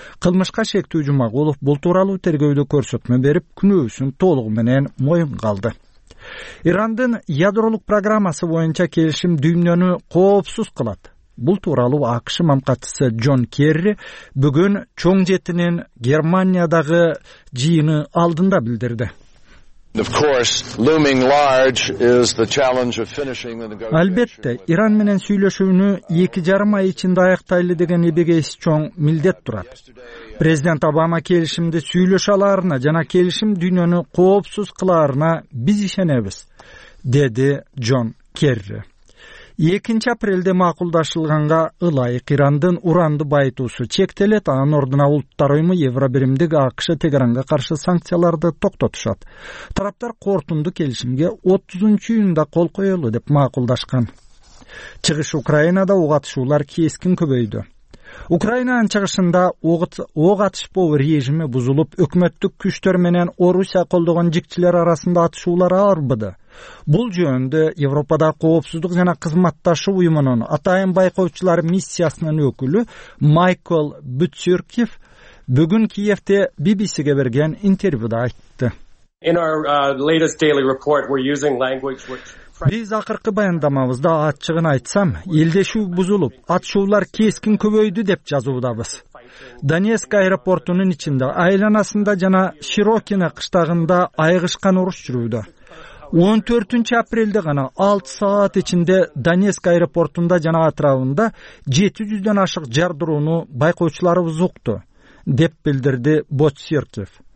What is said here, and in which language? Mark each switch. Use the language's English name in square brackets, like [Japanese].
[Kyrgyz] Кылмышка шектүү Жумагулов бул тууралуу тергөөдө көрсөтмө берип, күнөөсүн толугу менен моюнга алды. Ирандын ядролук программасы боюнча келишим дүйнөнү коопсуз кылат. Бул тууралуу АКШ мамкатчысы Джон Керри бүгүн чоң жетинин Германиядагы жыйыны алдында билдирди. [English] Of course, looming large is the challenge of finishing the negotiations. [Kyrgyz] Албетте, Иран менен сүйлөшүүнү 2.5 ай ичинде аяктайлы деген эбегейси чоң милдет турат. Президент Обама келишимди сүйлөшө аларына жана келишим дүйнөнү коопсуз кылаарына биз ишенебиз, деди Джон Керри. 2-апрелде макулдашылганга ылайык Ирандын уранды байытуусу чектелет, анын ордуна улуттар уюму Евробиримдик АКШ Тегеранга каршы санкцияларды токтотушат. Тараптар кортунду келишимге 30 июнда кол коелу деп макулдашкан. Чыгыш Украинада ок атышуулар кескин көбөйдү. Украинанын чыгышында ок атышпоо режими бузулуп, өкмөттүк күчтөр менен Орусия колдогон жикчилер арасында атышуулар арбыды. Бул жөнүндө Европада коопсуздук жана кызматташуу уюмунун атайын байкоочулар миссиясынын өкүлү Майкл Бүтсюркив бүгүн Киевте BBC'ге берген интервьюда айтты. [English] In our latest daily report we're using language which [Kyrgyz] Биз акыркы баяндамабызда ачыгын айтсам, элдешүү бузулуп, атышуулар кескин көбөйдү деп жазуудабыз. Донецк аэропортунун ичинде, айланасында жана Широкино кыштагында айгышкан уруш жүрүүдө. 14-апрелде гана 6 саат ичинде Донецк аэропортунда жана атырабында 700'дөн ашык жардырууну байкоочуларыбыз укту, деп билдирди Боцсиркев.